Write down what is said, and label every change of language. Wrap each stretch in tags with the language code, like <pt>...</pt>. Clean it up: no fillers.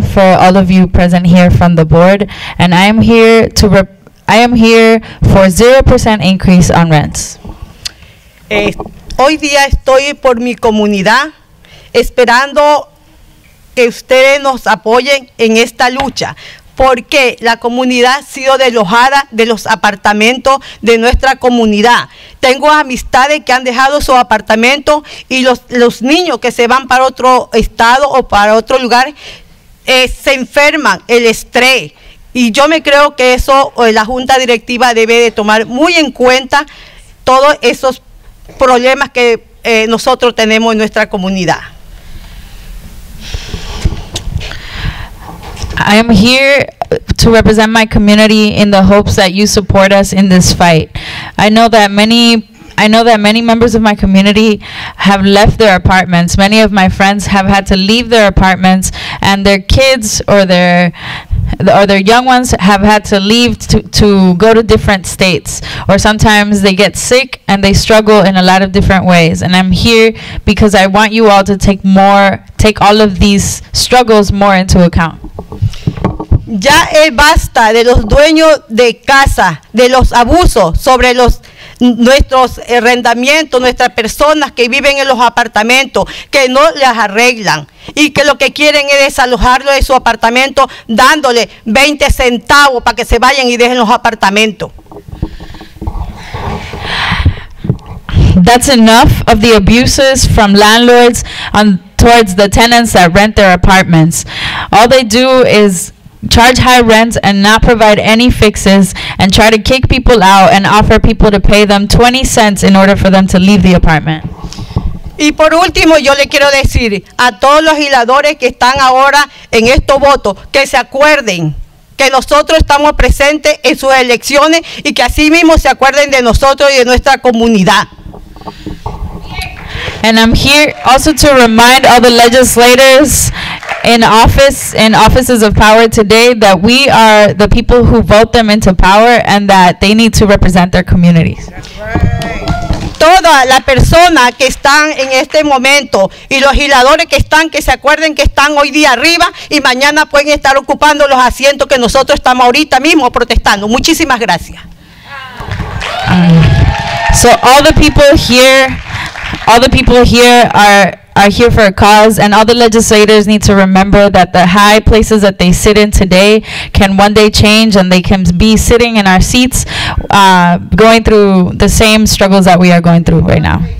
<en>For all of you present here from the board, and I am here to I am here for 0% increase on rents.</en> <es>Hoy día estoy por mi comunidad esperando que ustedes nos apoyen en esta lucha, porque la comunidad ha sido desalojada de los apartamentos de nuestra comunidad. Tengo amistades que han dejado su apartamento y los niños que se van para otro estado o para otro lugar se enferman, el estrés. Y yo me creo que eso la junta directiva debe de tomar muy en cuenta todos esos problemas que nosotros tenemos en nuestra comunidad.</es> <en>I am here to represent my community in the hopes that you support us in this fight. I know that many members of my community have left their apartments. Many of my friends have had to leave their apartments, and their kids or their young ones have had to leave to go to different states, or sometimes they get sick and they struggle in a lot of different ways. And I'm here because I want you all to take all of these struggles more into account.</en> <es>Ya es basta de los dueños de casa, de los abusos sobre nuestros arrendamientos, nuestras personas que viven en los apartamentos, que no las arreglan y que lo que quieren es desalojarlo de su apartamento dándole 20 centavos para que se vayan y dejen los apartamentos.</es> <en>That's enough of the abuses from landlords and towards the tenants that rent their apartments. All they do is charge high rents and not provide any fixes, and try to kick people out and offer people to pay them 20 cents in order for them to leave the apartment.</en> <es>Y por último, yo le quiero decir a todos los legisladores que están ahora en estos votos, que se acuerden que nosotros estamos presentes en sus elecciones y que así mismo se acuerden de nosotros y de nuestra comunidad.</es> <en>And I'm here also to remind all the legislators in office, in offices of power today, that we are the people who vote them into power and that they need to represent their communities.</en> <es>Toda la persona que están en este momento y los legisladores que se acuerden que están hoy día arriba y mañana pueden estar ocupando los asientos que nosotros estamos ahorita mismo protestando. Muchísimas gracias.</es> <en>So all the people here, all the people here are here for a cause, and all the legislators need to remember that the high places that they sit in today can one day change, and they can be sitting in our seats going through the same struggles that we are going through right now.</en>